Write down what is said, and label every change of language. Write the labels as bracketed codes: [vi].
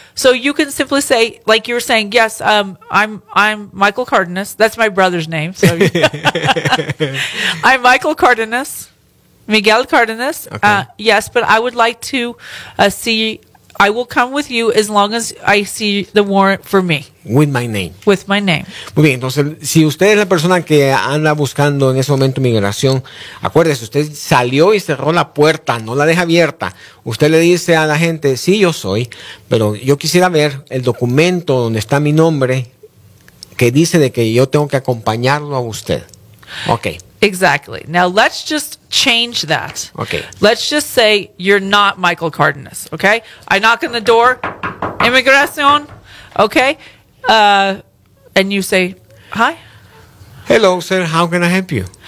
[en] So you can simply say, like you were saying, yes, I'm Michael Cardenas. That's my brother's name. So I'm Michael Cardenas, Miguel Cardenas. Okay. Yes, but I would like to see... I will come with you as long as I see the warrant for me. With my name. With my name. [es] Muy bien. Entonces, si usted es la persona que anda buscando en ese momento migración, acuérdese, usted salió y cerró la puerta, no la deja abierta. Usted le dice a la gente, sí, yo soy, pero yo quisiera ver el documento donde está mi nombre que dice de que yo tengo que acompañarlo a usted. [en] Okay. Exactly. Now, let's just change that. Okay. Let's just say you're not Michael Cardenas, okay? I knock on the door, immigration, okay? And you say, hi. Hello, sir. How can I help you?